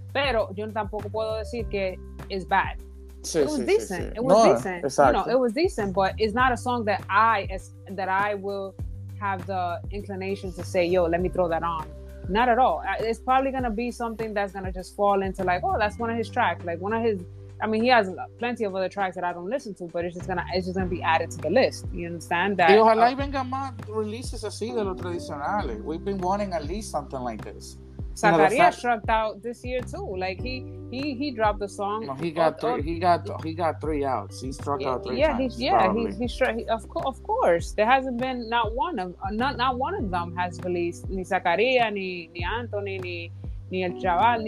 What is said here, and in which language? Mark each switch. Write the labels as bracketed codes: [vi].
[es] Pero yo tampoco puedo decir que [en] it's bad. It was decent, but it's not a song that I will have the inclination to say, yo, let me throw that on. Not at all. It's probably gonna be something that's gonna just fall into like, oh, that's one of his tracks, like one of his, I mean, he has plenty of other tracks that I don't listen to, but it's just gonna be added to the list. You understand that? [es] Y ojalá y venga más releases así de lo tradicional. [en] We've been wanting at least something like this. Zacharia struck out this year too. Like he dropped the song. No, he got three outs. He struck out three. Yeah, times, Of course, there hasn't been not one of them has released [es] ni Zacharia ni Anthony ni el chaval.